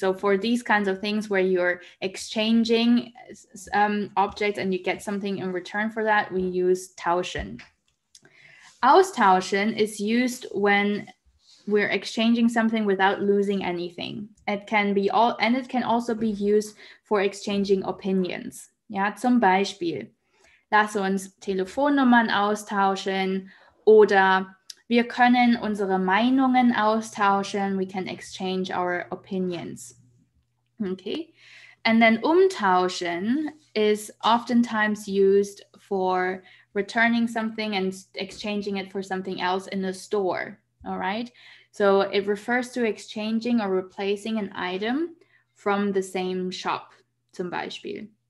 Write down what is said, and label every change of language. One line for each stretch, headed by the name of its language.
English: So for these kinds of things where you're exchanging objects and you get something in return for that, we use tauschen. Austauschen is used when we're exchanging something without losing anything. It can be all, and it can also be used for exchanging opinions.
German: Ja, zum Beispiel, lass uns Telefonnummern austauschen oder wir können unsere Meinungen austauschen.
English: We can exchange our opinions. Okay. And then umtauschen is oftentimes used for returning something and exchanging it for something else in the store. All right. So it refers to exchanging or replacing an item from the same shop,
German: zum Beispiel.